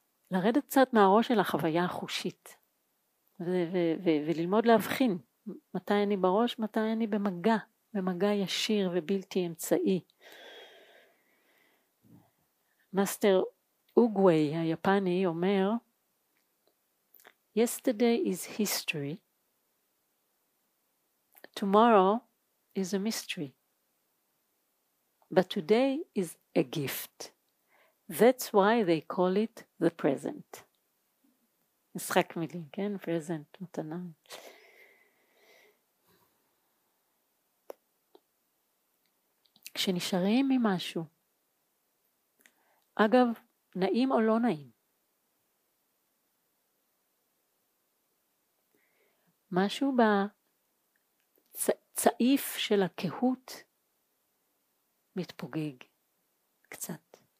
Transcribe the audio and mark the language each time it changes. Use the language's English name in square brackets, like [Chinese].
[Hebrew] לרדת קצת מהראש של החוויה החושית, וללמוד להבחין מתי אני בראש, מתי אני במגע, במגע ישיר ובלתי אמצעי. מאסטר אוגווי היפני אומר, [English] Yesterday is history, tomorrow is a mystery, but today is a gift. That's why they call it the present. [Hebrew] משחק מילים, כן? Present, מתנה. כשנשארים ממשהו, אגב, נעים או לא נעים, משהו בצעיף של הכהות מתפוגג קצת.